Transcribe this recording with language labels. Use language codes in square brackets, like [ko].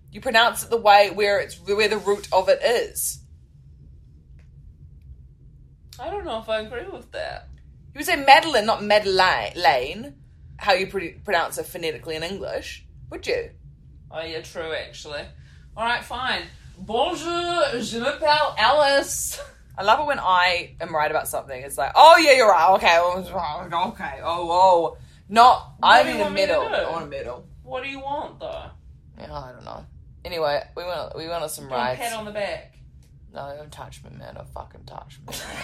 [en] You pronounce it the way where the root of it is. I don't know if I agree with that. You would say Madeline, not Madeleine, how you pronounce it phonetically in English, would you? Oh, yeah, true, actually. All right, fine. [fr] Bonjour, je m'appelle Alice. [en] I love it when I am right about something. It's like, oh, yeah, you're right. Okay. Okay. Oh, whoa. Not, I need a medal. I want a medal. What do you want, though? Yeah, I don't know. Anyway, we went on some rides. Pat on the back. No, don't touch me, man. Don't fucking touch me.